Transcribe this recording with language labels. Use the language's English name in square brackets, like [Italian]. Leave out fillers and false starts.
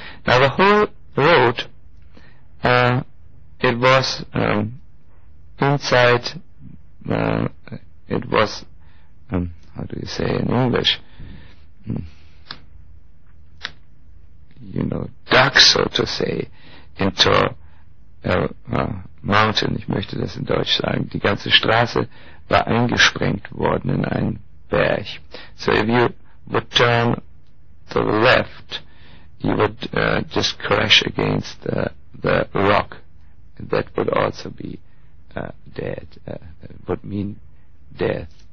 [English] Now, the whole road, it was inside, it was, how do you say in English, you know, dug, so to say, into a mountain. [German] Ich möchte das in Deutsch sagen. Die ganze Straße war eingesprengt worden in einen Berg. [English] So if you would turn to the left, you would just crash against the rock. That would also be dead. Would mean death.